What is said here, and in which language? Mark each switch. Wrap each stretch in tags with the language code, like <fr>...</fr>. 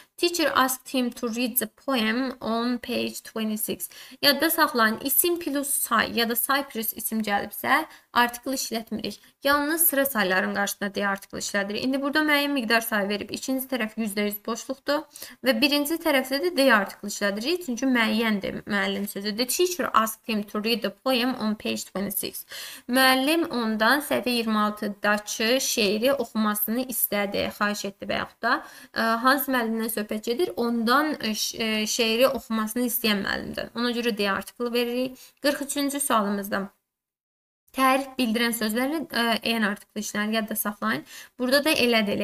<en>Teacher asked him to read the poem on page 26.</en> <az>Yadda saxlayın, isim plus say ya da say plus isim gəlibsə, artikel işlətmirik. Yalnız sıra sayların qarşısında deyə artikel işlədirik. İndi burada müəyyən miqdar say verib, ikinci tərəf %100 boşluqdur. Və birinci tərəfdə də deyə artikel işlədirik. Çünki müəyyəndir müəllim sözüdür.</az> <en>Teacher asked him to read the poem on page 26.</en> <az>Müəllim ondan səhifə 26-dakı şeiri oxumasını istədi, xahiş etdi və yaxud da. Hansı müəllimdən söhbət gedir? Ondan şeiri oxumasını istəyən müəllimdən. Ona görə deyə artikel veririk. 43-cü sualımızda. Tərif bildirən sözləri en artıqlı işlənir, yadda saxlayın. Burada da elədir.</az>